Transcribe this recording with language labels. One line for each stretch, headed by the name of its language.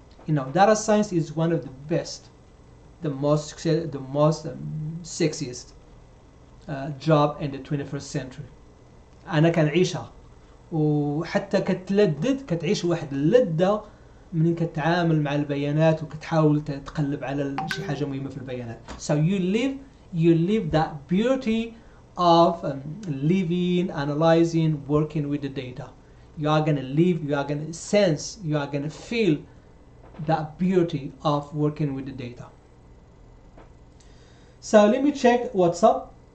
English: You know data science is one of the best, the most sexiest job in the 21st century.
Arabic: انا كنعيشها وحتى كتلدد كتعيش واحد اللذة من كتعامل مع البيانات وكتحاول تقلب على شي حاجة مهمة في البيانات.
English: So you live that beauty of living, analyzing, working with the data. You are gonna live, you are gonna sense, you are gonna feel that beauty of working with the data. So let me check what's up.